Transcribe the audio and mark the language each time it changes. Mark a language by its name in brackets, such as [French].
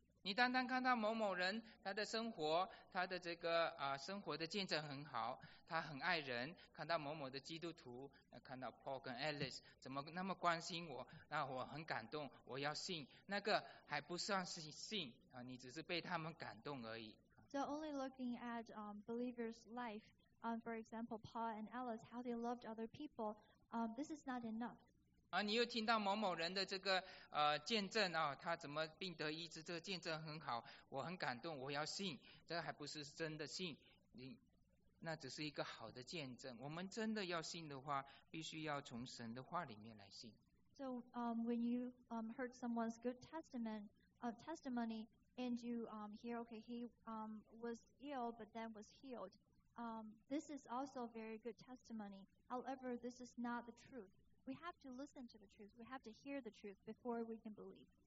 [Chinese] 你单单看到某某人, 他的生活, 他的这个, 生活的见证很好, 他很爱人, 看到某某的基督徒, 看到Paul跟Alice, 怎么那么关心我, 那我很感动, 我要信, 那个还不算是信, 啊, 你只是被他们感动而已。 [English] So only looking at believers' life, for example, Paul and Alice, how they loved other people, this is not enough. [Chinese] 啊, 你又听到某某人的这个, 见证啊, 他怎么病得医治, 这个见证很好, 我很感动, 我要信, 这还不是真的信, 你, 那只是一个好的见证, 我们真的要信的话, 必须要从神的话里面来信。 [English] So when you heard someone's good testament, testimony, and you hear, okay, he was ill, but then was healed, this is also a very good testimony. However, this is not the truth. We have to listen to the truth. We have to hear the truth before we can believe.